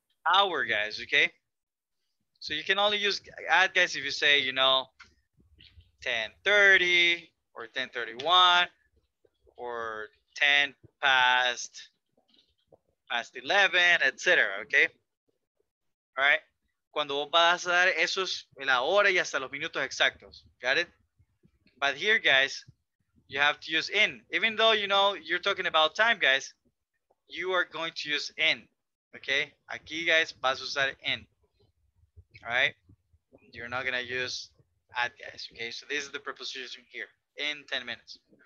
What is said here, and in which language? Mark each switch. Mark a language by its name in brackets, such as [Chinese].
[English] Hour, guys, okay? So you can only use at, guys, if you say, you know, 10:30 or 10:31 or 10 past 11, etc. Okay. All right. [Spanish] Cuando vos vas a dar esos la hora y hasta los minutos exactos. [English] Got it? But here, guys, you have to use in. Even though, you know, you're talking about time, guys, you are going to use in. Okay. [Spanish] Aquí, guys, vas a usar in. [English] All right, you're not gonna use at, guys. Okay, so this is the preposition here in 10 minutes.